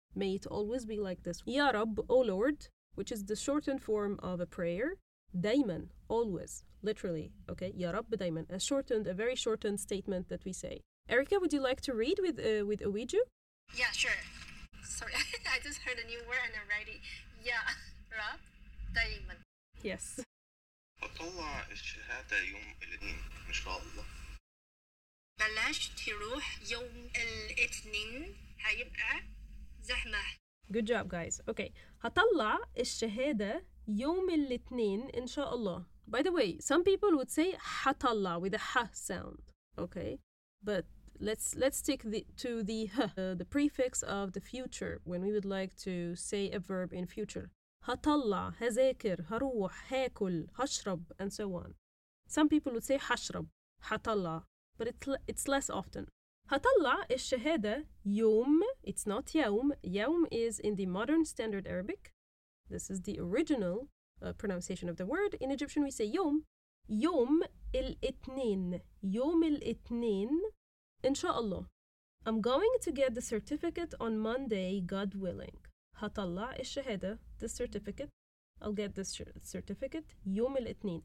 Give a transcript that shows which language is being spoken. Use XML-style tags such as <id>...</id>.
<en>May it always be like this. Ya Rabb, O Lord, which is the shortened form of a prayer. Daiman, always, literally. Okay, Ya Rabbi Daiman. A very shortened statement that we say. Erica, would you like to read with Uwiju? Yeah, sure. Sorry, I just heard a new word and I'm ready. Ya Rabb Daiman. Yes.</en> <ar>هطلع الشهادة يوم الاثنين إن شاء الله. بلاش تروح يوم الاثنين هيبقى زحمة.</ar> <en>Good job, guys. Okay.</en> <ar>هطلع الشهادة يوم الاثنين إن شاء الله.</ar> <en>By the way, some people would say هطلع with a ح sound. Okay. But let's stick to the prefix of the future when we would like to say a verb in future.</en> <ar>هطلع, هذاكر, هروح, هاكل, هشرب,</ar> <en>and so on. Some people would say هشرب, هطلع, but it's less often.</en> <ar>هطلع الشهادة يوم,</ar> <en>it's not</en> <ar>يوم.</ar> <en>يوم is in the modern standard Arabic. This is the original pronunciation of the word. In Egyptian, we say يوم.</en> <ar>يوم الاثنين. يوم الاثنين. إن شاء الله.</ar> <en>I'm going to get the certificate on Monday, God willing.</en> <ar>هطلع الشهادة.</ar> <en>This certificate, I'll get this certificate</en> <ar>يوم الاثنين.</ar>